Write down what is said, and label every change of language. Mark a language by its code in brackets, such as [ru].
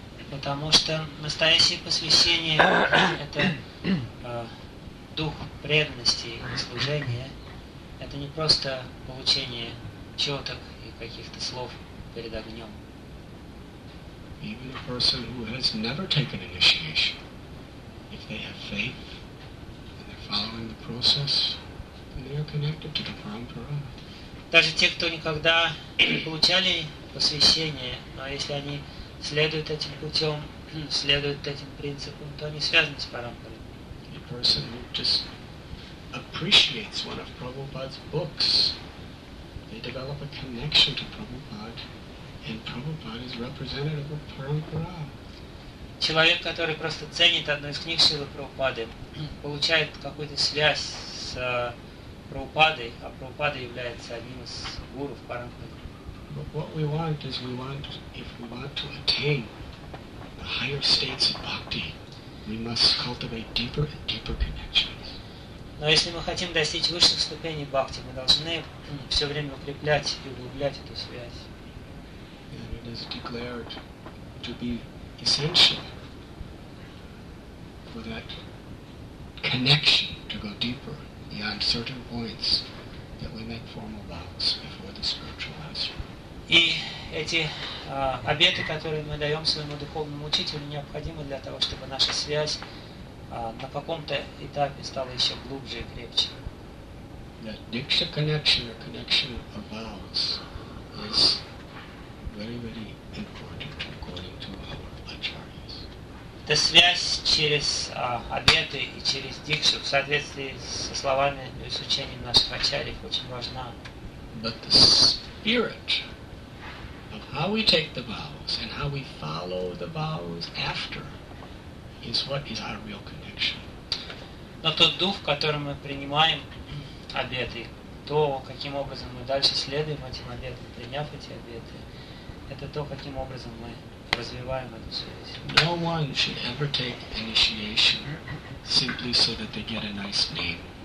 [ru] Потому что настоящее посвящение — это дух преданности и служения. Это не просто получение четок и каких-то слов перед огнем. [en] Even a person who has never taken initiation, if they have faith and they're following the process, then they are connected to the Parampara. [ru] Даже те, кто никогда не получали посвящение, но если они следуют этим путем, следуют этим принципам, то они связаны с Парампарой. [en] A person who just appreciates one of Prabhupada's books, they develop a connection to Prabhupada. And Prabhupada is representative of Parampara. [ru] Человек, который просто ценит одну из книг Шрилы Прабхупады, получает какую-то связь с Прабхупадой, а Прабхупада является одним из гуру в Парампаре. [en] But what we want is if we want to attain the higher states of bhakti, we must cultivate deeper and deeper connections. [ru] Но если мы хотим достичь высших ступеней бхакти, мы должны все время укреплять и углублять эту связь. [en] Is declared to be essential for that connection to go deeper beyond certain points that we make formal vows before the spiritual master. [ru] И эти обеты, которые мы даем своему духовному учителю, необходимы для того, чтобы наша связь на каком-то этапе стала еще глубже и крепче. [en] That diksha connection, or connection of vows, is very, very important according to our acharyas. [ru] Эта связь через обеты и через дикшу в соответствии со словами и с учением наших ачарьев очень важна. [en] But the spirit of how we take the vows and how we follow the vows after is what is our real connection. [ru] Но тот дух, которым мы принимаем обеты, то, каким образом мы дальше следуем этим обетам, приняв эти обеты, это то, каким образом мы развиваем эту связь. [en] No one should ever take initiation simply so that they get a nice name.